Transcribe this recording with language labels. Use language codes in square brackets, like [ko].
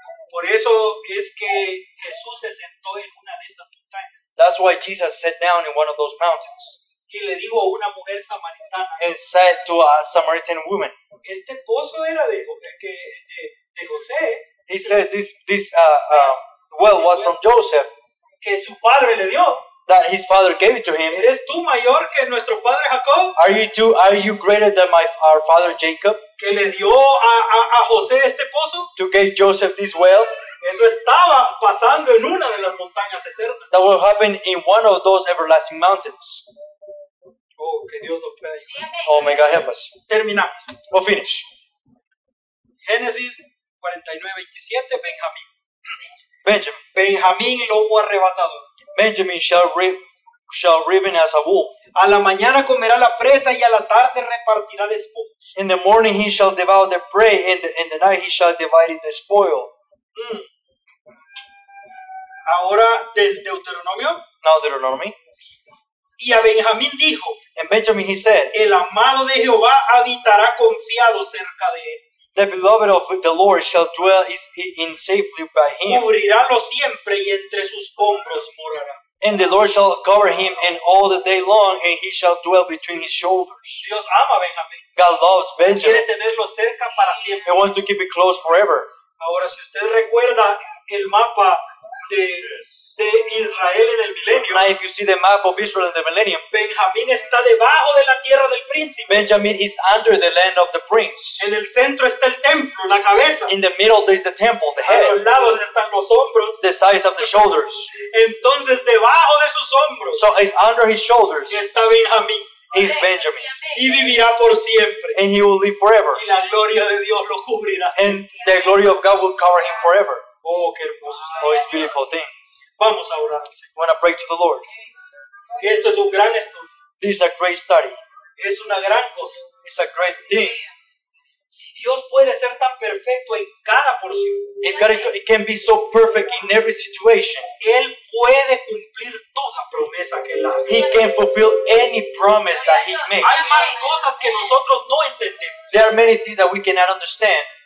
[es] Por eso es que Jesús se sentó en una de esas montañas. [en] That's why Jesus sat down in one of those mountains. [es] Y le dijo a una mujer samaritana. [en] And said to a Samaritan woman. [es] Este pozo era de José. [en] He said this well was from Joseph. [es] Que su padre le dio. [en] That his father gave it to him. [es] ¿Eres tú mayor que nuestro padre Jacob? [en] Are you greater than our father Jacob? [es] Que le dio a José este pozo. [en] To give Joseph this well. [es] Eso estaba pasando en una de las montañas eternas. [en] That will happen in one of those everlasting mountains. [es] Oh, que Dios nos pueda ayudar. [en] Oh, may God help us. [es] Terminamos. [en] We'll finish. [es] Génesis 49:27, Benjamín. [en] Benjamin. [es] Benjamín, lobo arrebatador. [en] Benjamin shall riven as a wolf. [es] A la mañana comerá la presa y a la tarde repartirá despojos. [en] In the morning he shall devour the prey, and in the night he shall divide the spoil. Mm. [es] Ahora desde Deuteronomio. [en] Now Deuteronomy. [es] Y a Benjamín dijo. [en] And Benjamin he said. [es] El amado de Jehová habitará confiado cerca de él. [en] The beloved of the Lord shall dwell in safely by him. [es] Cubrirálo siempre y entre sus hombros morará. [en] And the Lord shall cover him and all the day long, and he shall dwell between his shoulders. [es] Dios ama Benjamín. [en] God loves Benjamin. [es] Quiere tenerlo cerca para siempre. [en] He wants to keep it close forever. [es] Ahora, si usted recuerda el mapa de Israel en el milenio. [en] Now, if you see the map of Israel in the millennium, [es] Benjamín está debajo de la tierra del príncipe. [en] Benjamin is under the land of the prince. [es] En el centro está el templo, la cabeza. [en] In the middle there is the temple, the a head. [es] A los lados están los hombros. [en] The sides of the shoulders. [es] Entonces, debajo de sus hombros. [en] So it's under his shoulders. [es] Está Benjamín. [en] Is Benjamin. [es] Y vivirá por siempre. [en] And he will live forever. [es] Y la gloria de Dios lo cubrirá. [en] And the glory of God will cover him forever. [es] Oh, qué hermoso. [en] Oh, it's a beautiful thing. [es] Vamos a orar. [en] We want to pray to the Lord. [es] Esto es un gran estudio. [en] This is a great study. [es] Es una gran cosa. [en] It's a great thing. [es] Si Dios puede ser tan perfecto en cada porción. [en] It can be so perfect in every situation. [es] Él puede cumplir toda promesa que él hace. [en] He can fulfill any promise that he makes. [es] Hay más cosas que nosotros no entendemos. [en] There are many things that we cannot understand.